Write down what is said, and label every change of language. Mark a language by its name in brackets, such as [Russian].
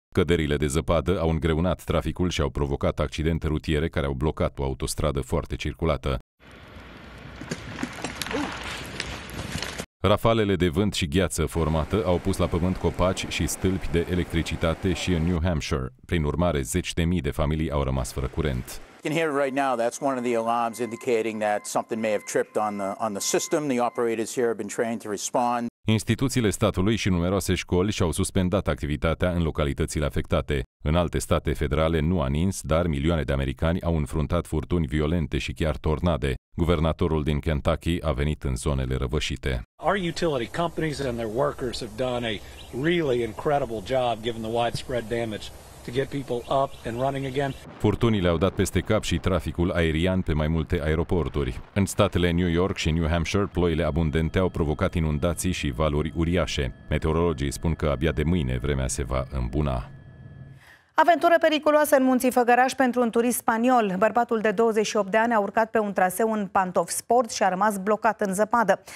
[Romanian] Căderile de zăpadă au îngreunat traficul și au provocat accidente rutiere care au blocat o autostradă foarte circulată. Rafalele de vânt și gheață formată au pus la pământ copaci și stâlpi de electricitate și în New Hampshire. Prin urmare, 10.000 de familii au rămas fără curent. [English] You can hear it right now. That's one of the alarms indicating that something may have tripped on the system. The operators here have been trained to respond. [Romanian] Instituțiile statului și numeroase școli și-au suspendat activitatea în localitățile afectate. În alte state federale nu a nins, dar milioane de americani au înfruntat furtuni violente și chiar tornade. Guvernatorul din Kentucky a venit în zonele răvășite. [English] Our utility companies and their workers have done a really incredible job given the widespread damage. To get people up and running again. [Romanian] Furtunile au dat peste cap și traficul aerian pe mai multe aeroporturi. În statele New York și New Hampshire, ploile abundente au provocat inundații și valuri uriașe. Meteorologii spun că abia de mâine vremea se va îmbuna. Aventură periculoasă în munții Făgăraș pentru un turist spaniol. Bărbatul de 28 de ani a urcat pe un traseu în pantofi sport și a rămas blocat în zăpadă.